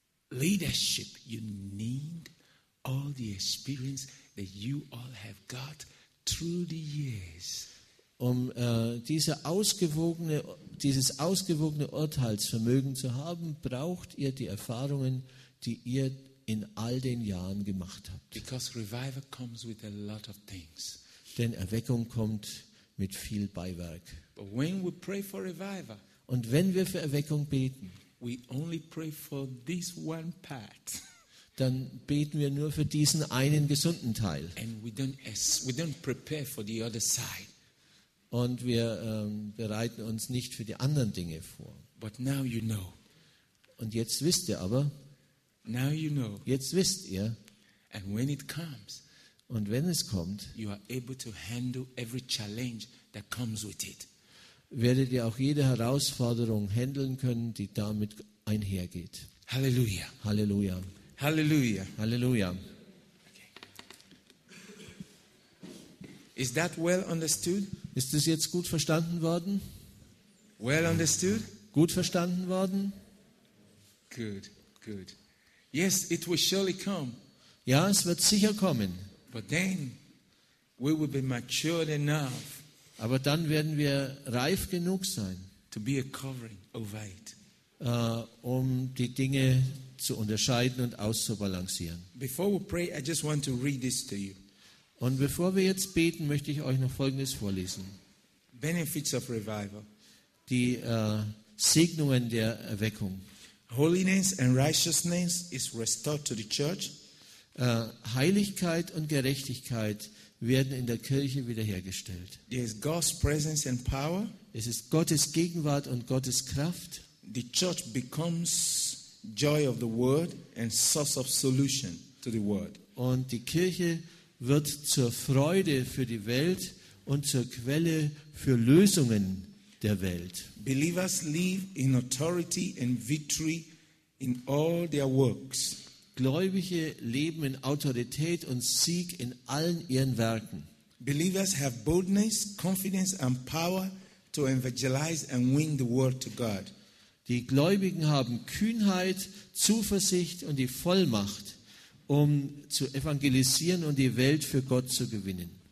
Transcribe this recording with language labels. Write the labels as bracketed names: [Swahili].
[English] Leadership, you need all the experience that you all have got through the years. [German] Um dieses ausgewogene Urteilsvermögen zu haben, braucht ihr die Erfahrungen, die ihr in all den Jahren gemacht habt. [English] Because revival comes with a lot of things. [German] Denn Erweckung kommt mit viel Beiwerk. [English] But when we pray for revival, [German] und wenn wir für Erweckung beten, [English] we only pray for this one part. [German] Dann beten wir nur für diesen einen gesunden Teil. [English] And we don't prepare for the other side. [German] Und wir bereiten uns nicht für die anderen Dinge vor. [English] But now you know. [German] Und jetzt wisst ihr aber. [English] Now you know. [German] Jetzt wisst ihr. [English] And when it comes. [German] Und wenn es kommt. [English] You are able to handle every challenge that comes with it. [German] Werdet ihr auch jede Herausforderung handeln können, die damit einhergeht. Halleluja. Halleluja. Halleluja. Halleluja. [English] Okay. Is that well understood? [German] Ist das jetzt gut verstanden worden? [English] Well understood? [German] Gut verstanden worden? [English] Good, good. Yes, it will surely come. [German] Ja, es wird sicher kommen. [English] But then we will be matured enough. [German] Aber dann werden wir reif genug sein, [English] to be a covering over it. [German] Um die Dinge zu unterscheiden und auszubalancieren. [English] Before we pray, I just want to read this to you. [German] Und bevor wir jetzt beten, möchte ich euch noch Folgendes vorlesen. [English] Benefits of revival. [German] Die Segnungen der Erweckung. [English] Holiness and righteousness is restored to the church. [German] Heiligkeit und Gerechtigkeit werden in der Kirche wiederhergestellt. [English] There is God's presence and power. [German] Es ist Gottes Gegenwart und Gottes Kraft. [English] The church becomes joy of the word and source of solution to the word. [German] Und die Kirche wird zur Freude für die Welt und zur Quelle für Lösungen der Welt. [English] Believers live in authority and victory in all their works. [German] Gläubige leben in Autorität und Sieg in allen ihren Werken. [English] Believers have boldness, confidence and power to evangelize and win the world to God. [German] Die Gläubigen haben Kühnheit, Zuversicht und die Vollmacht, um zu evangelisieren und die Welt für Gott zu gewinnen.